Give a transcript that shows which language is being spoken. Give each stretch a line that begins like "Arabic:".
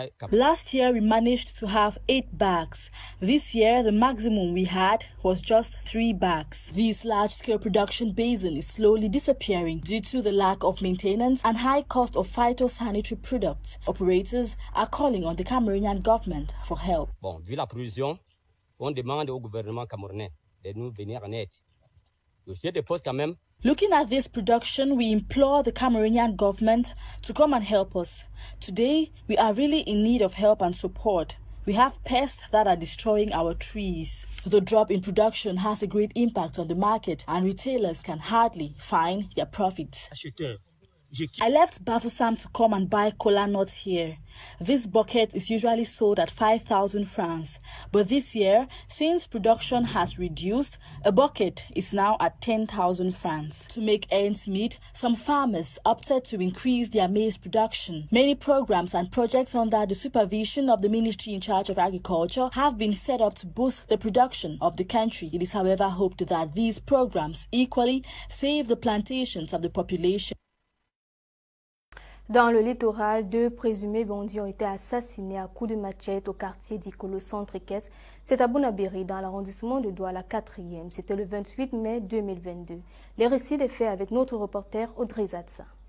English: Last year, we managed to have 8 bags. This year, the maximum we had was just 3 bags. This large-scale production basin is slowly disappearing due to the lack of maintenance and high cost of phytosanitary products. Operators are calling on the Cameroonian government for help.
French: La production, on demande au gouvernement camerounais de nous venir en aide. Le chef de poste quand même.
English: Looking at this production, we implore the Cameroonian government to come and help us. Today, we are really in need of help and support. We have pests that are destroying our trees. The drop in production has a great impact on the market, and retailers can hardly find their profits. I left Bafoussam to come and buy kola nuts here. This bucket is usually sold at 5,000 francs. But this year, since production has reduced, a bucket is now at 10,000 francs. To make ends meet, some farmers opted to increase their maize production. Many programs and projects under the supervision of the Ministry in Charge of Agriculture have been set up to boost the production of the country. It is, however, hoped that these programs equally save the plantations of the population.
French: Dans le littoral, deux présumés bandits ont été assassinés à coups de machette au quartier d'Ikolo Centre-Équestre. C'est à Bonaberry, dans l'arrondissement de Douala 4e. C'était le 28 mai 2022. Les récits des faits avec notre reporter Audrey Zatsa.